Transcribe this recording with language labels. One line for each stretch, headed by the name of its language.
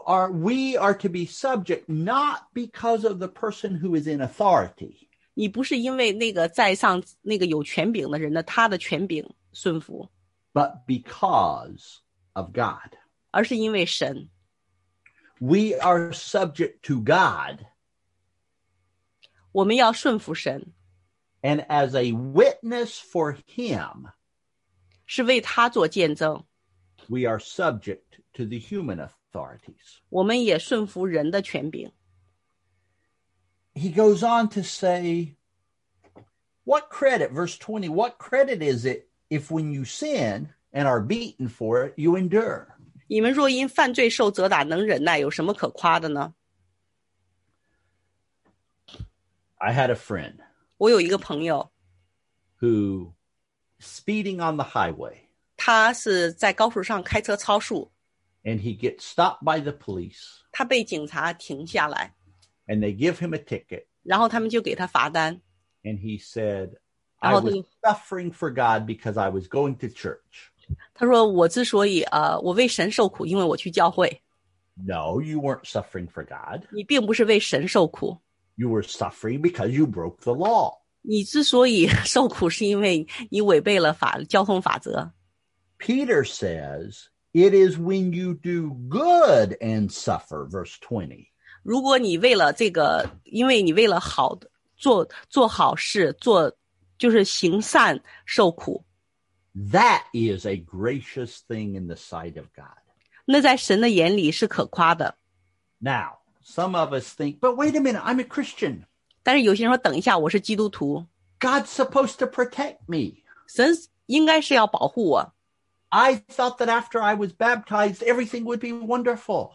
English: We are to be subject not because of the person who is in authority.
Chinese: 你不是因为那个在上那个有权柄的人的他的权柄顺服
English: But because of God.
Chinese: 而是因为神。
English: We are subject to God.
Chinese: 我们要顺服神。
English: And as a witness for him.
Chinese: 是为他做见证。
English: We are subject to the human authorities.
Chinese: 我们也顺服人的权柄。
English: He goes on to say, what credit, verse 20, what credit is it if when you sin and are beaten for it, you endure?
Chinese: 你们若因犯罪受责打能忍耐有什么可夸的呢?
English: I had a friend.
Chinese: 我有一个朋友。
English: Who speeding on the highway.
Chinese: 他是在高速上开车超速。
English: And he gets stopped by the police.
Chinese: 他被警察停下来。
English: And they give him a ticket.
Chinese: 然后他们就给他罚单。
English: And he said, I was suffering for God because I was going to church.
Chinese: 他说我之所以我为神受苦因为我去教会。
English: No, you weren't suffering for God.
Chinese: 你并不是为神受苦。
English: You were suffering because you broke the law.
Chinese: 你之所以受苦是因为你违背了法交通法则。
English: Peter says, it is when you do good and suffer, verse 20.
Chinese: 如果你为了这个因为你为了好做好事做就是行善受苦。
English: That is a gracious thing in the sight of God.
Chinese: 那在神的眼里是可夸的。
English: Now, some of us think, but wait a minute, I'm a Christian.
Chinese: 但是有些人说等一下我是基督徒。
English: God's supposed to protect me.
Chinese: 神应该是要保护我。
English: I thought that after I was baptized, everything would be wonderful.